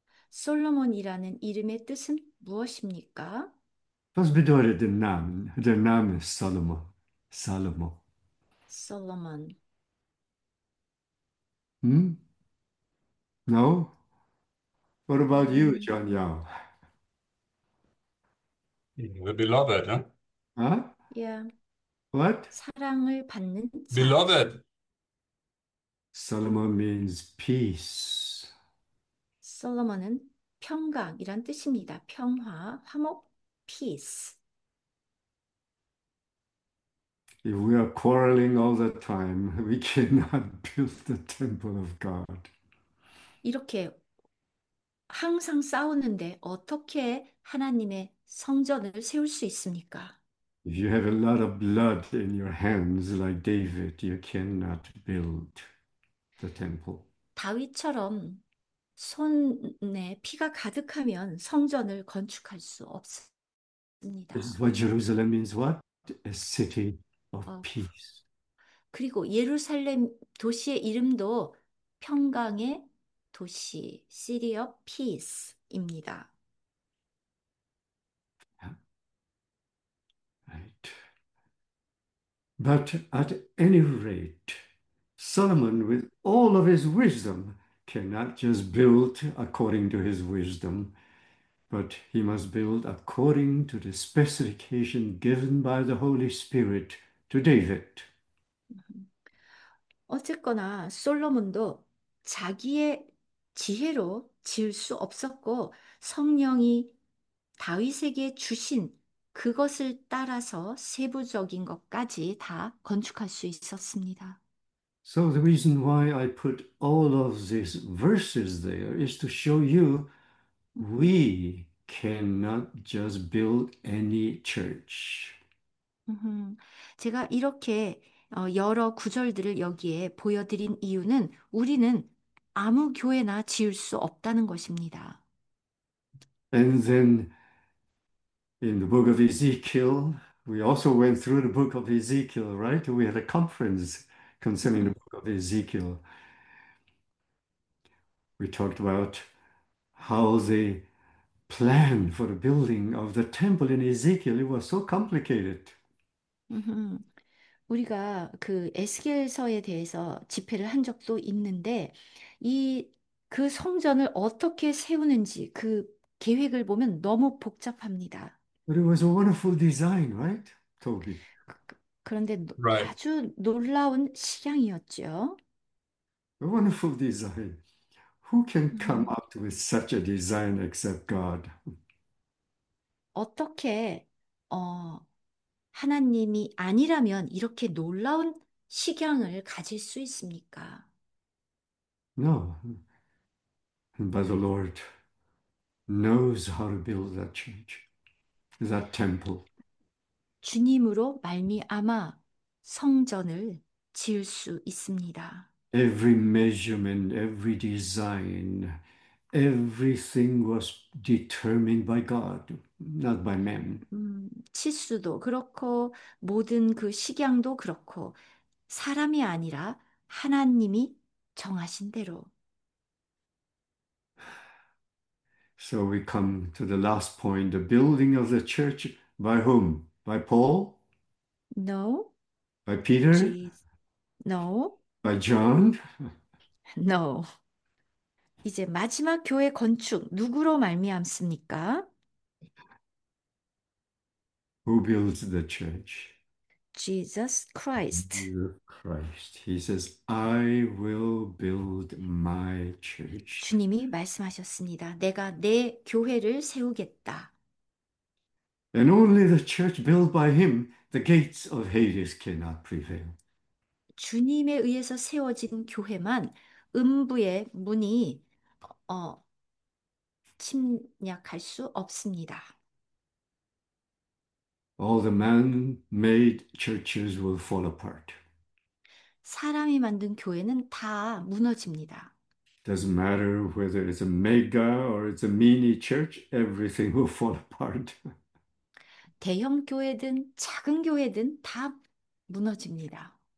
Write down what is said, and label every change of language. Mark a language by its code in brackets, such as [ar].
[ko] 솔로몬이라는 이름의 뜻은 무엇입니까? [de] Was bedeutet der Name? Der Name ist Solomon. Salomo. [en] Solomon. No? What about you, John Yao? The beloved, Huh? Yeah. What? [ko] 사랑을 받는 자. [en] Beloved. Solomon means peace. [ko] Solomon은 평강이란 뜻입니다. 평화, 화목, peace. [en] If we are quarreling all the time, we cannot build the temple of God. [ko] 이렇게 항상 싸우는데 어떻게 하나님의 성전을 세울 수 있습니까? [en] If you have a lot of blood in your hands, like David, you cannot build the temple. [ko] 다윗처럼 손에 피가 가득하면 성전을 건축할 수 [en] This is [ko] 없습니다. [en] what Jerusalem means, what? A city of peace. [ko] 그리고 예루살렘 도시의 이름도 평강의 도시, [en] City of Peace [ko] 입니다. [en] But at any rate, Solomon, with all of his wisdom, cannot just build according to his wisdom, but he must build according to the specification given by the Holy Spirit to David. [ko] 어쨌거나 솔로몬도 자기의 지혜로 지을 수 없었고 성령이 다윗에게 주신 그것을 따라서 세부적인 것까지 다 건축할 수 있었습니다. [en] So the reason why I put all of these verses there is to show you we cannot just build any church. [ko] 제가 이렇게 여러 구절들을 여기에 보여드린 이유는 우리는 아무 교회나 지을 수 없다는 것입니다. [en] And then in the book of Ezekiel, we also went through the book of Ezekiel, right? We had a conference concerning the book of Ezekiel. We talked about how the plan for the building of the temple in Ezekiel, it was so complicated. [ko] 우리가 그 에스겔서에 대해서 집회를 한 적도 있는데 이그 성전을 어떻게 세우는지 그 계획을 보면 너무 복잡합니다. [en] But it was a wonderful design, right, Toby? [ko] 그런데 [en] Right. [ko] 아주 놀라운 식양이었죠. [en] A wonderful design. Who can come up with such a design except God? [ko] 어떻게 하나님이 아니라면 이렇게 놀라운 식양을 가질 수 있습니까? [en] No. But the Lord knows how to build that church, that temple. [ko] 주님으로 말미암아 성전을 지을 수 있습니다. [en] Every measurement, every design, everything was determined by God, not by man. [ko] 치수도 그렇고 모든 그 식양도 그렇고 사람이 아니라 하나님이 정하신 대로 [en] So we come to the last point, the building of the church by whom? By Paul? No. By Peter? Jesus. No. By John? No. [ko] 이제 마지막 교회 건축 누구로 말미암습니까? [en] Who builds the church? Jesus Christ. Christ. He says, I will build my church. [ko] 주님이 말씀하셨습니다. 내가 내 교회를 세우겠다. [en] And only the church built by him, the gates of Hades cannot prevail. [ko] 주님에 의해서 세워진 교회만 음부의 문이 침략할 수 없습니다. [en] All the man-made churches will fall apart. [ko] 사람이 만든 교회는 다 무너집니다. [en] Doesn't matter whether it's a mega or it's a mini church, everything will fall apart. [ko] 대형 교회든 작은 교회든 다 무너집니다.